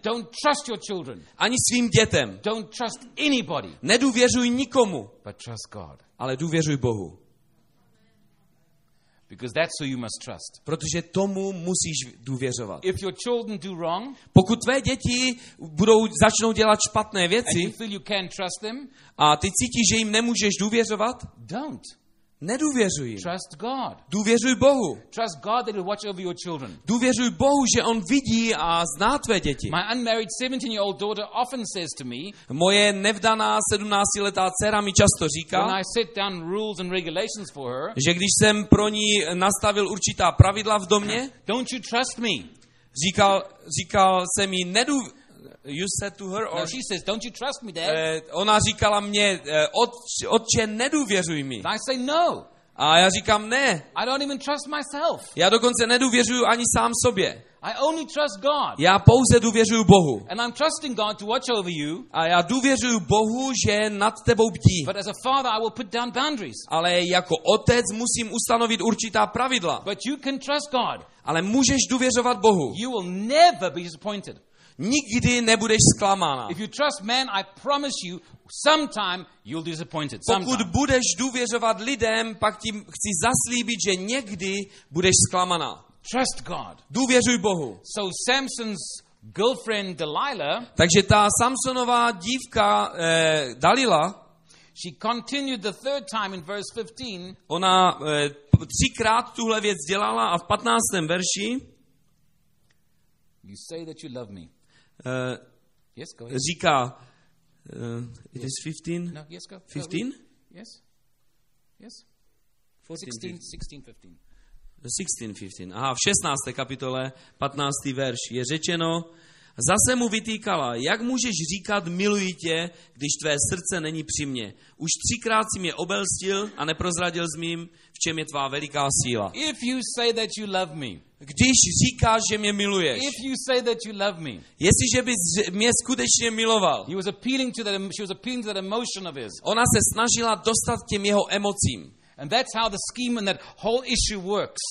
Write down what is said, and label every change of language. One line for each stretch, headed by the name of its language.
English: Don't trust your children.
Czech: Ani svým dětem.
English: Don't trust anybody.
Czech: Nedůvěřuj nikomu.
English: But trust God.
Czech: Ale důvěřuj Bohu.
English: Because that's who you must trust.
Czech: Protože tomu musíš důvěřovat.
English: If your children do wrong,
Czech: pokud tvé děti začnou dělat špatné věci,
English: and you feel you can't trust them,
Czech: a ty cítíš, že jim nemůžeš důvěřovat,
English: don't.
Czech: Nedůvěřuj.
English: Trust God.
Czech: Důvěřuj Bohu.
English: Trust God that he'll watch over your children.
Czech: Důvěřuj Bohu, že on vidí a zná tvé děti.
English: My unmarried 17-year-old daughter often says to me,
Czech: moje nevdaná 17-letá dcera mi často říká,
English: when I set down rules and regulations for her,
Czech: že když jsem pro ní nastavil určitá pravidla v domě,
English: don't you trust me?
Czech: Říkal jsem jí,
English: you said to her, or no, she says, don't you trust me, Dad?
Czech: Ona říkala mně, otče, nedůvěřuj mi.
English: And I say no.
Czech: A já říkám ne.
English: I don't even trust myself.
Czech: Já dokonce nedůvěřuji ani sám sobě.
English: I only trust God.
Czech: Já pouze důvěřuji Bohu.
English: And I'm trusting God to watch over you.
Czech: A já důvěřuji Bohu, že nad tebou bdí.
English: But as a father, I will put down boundaries.
Czech: Ale jako otec musím ustanovit určitá pravidla.
English: But you can trust God.
Czech: Ale můžeš důvěřovat Bohu.
English: You will never be disappointed.
Czech: Nikdy nebudeš zklamána.
English: If you trust man, I promise you, sometime you'll be disappointed.
Czech: Pokud budeš důvěřovat lidem, pak ti chci zaslíbit, že někdy budeš zklamána.
English: Trust God.
Czech: Důvěřuj Bohu.
English: So Samson's girlfriend Delilah.
Czech: Takže ta Samsonova dívka Dalila.
English: She continued the third time in verse 15.
Czech: Ona třikrát tuhle věc dělala a v 15. verši.
English: You say that you love me. Yes, go ahead.
Czech: Říká,
English: it yes. Is 15? No, yes, go. 15? Yes. Yes. 16, 15.
Czech: Aha, v 16. kapitole, 15. verš je řečeno, zase mu vytýkala, jak můžeš říkat miluji tě, když tvé srdce není při mně. Už třikrát si mě obelstil a neprozradil s mým, v čem je tvá veliká síla.
English: If you say that you love me.
Czech: Když říkáš, že mě miluješ.
English: If you say that you love me.
Czech: Jestliže bys mě skutečně miloval.
English: He was appealing to that, she was appealing to that emotion of his.
Czech: Ona se snažila dostat těm jeho emocím.
English: And that's how the scheme and that whole issue works.